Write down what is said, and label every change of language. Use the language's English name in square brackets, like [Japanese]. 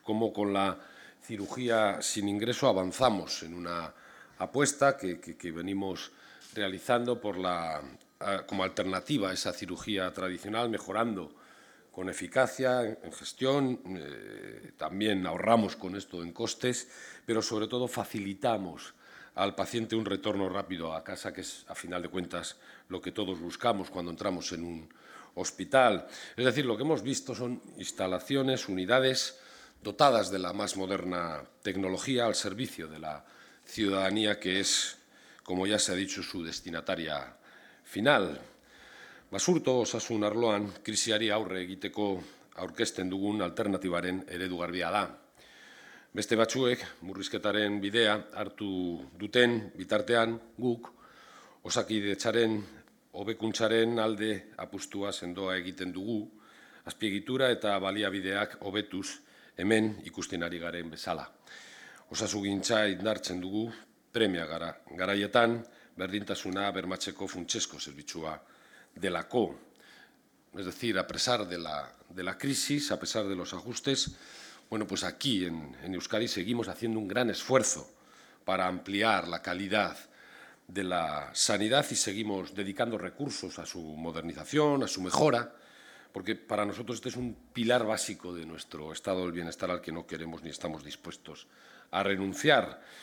[Spanish] Como con la cirugía sin ingreso avanzamos en una apuesta que venimos realizando por la, como alternativa a esa cirugía tradicional, mejorando con eficacia en gestión, también ahorramos con esto en costes, pero sobre todo facilitamos al paciente un retorno rápido a casa, que es, a final de cuentas, lo que todos buscamos cuando entramos en un hospital. Es decir, lo que hemos visto son instalaciones, unidades dotadas de la más moderna tecnología al servicio de la ciudadanía, que es, como ya se ha dicho, su destinataria final. [Basque] Basurto, Osasun arloan, krisiari aurre egiteko aurkezten dugun alternatibaren eredu garbia da. Beste batzuek, murrizketaren bidea hartu duten bitartean, guk, osakidetzaren hobekuntzaren alde apustua sendoa egiten dugu, azpiegitura eta baliabideak hobetuz hemen ikusten ari garen bezala. Osasugintza indartzen dugu, premia gara, garaietan, berdintasuna bermatzeko funtsezko zerbitzua delako. [Spanish] Es decir, a pesar de la crisis, a pesar de los ajustes, bueno, pues aquí en Euskadi seguimos haciendo un gran esfuerzo para ampliar la calidad de la sanidad y seguimos dedicando recursos a su modernización, a su mejora, porque para nosotros este es un pilar básico de nuestro estado del bienestar al que no queremos ni estamos dispuestos a renunciar.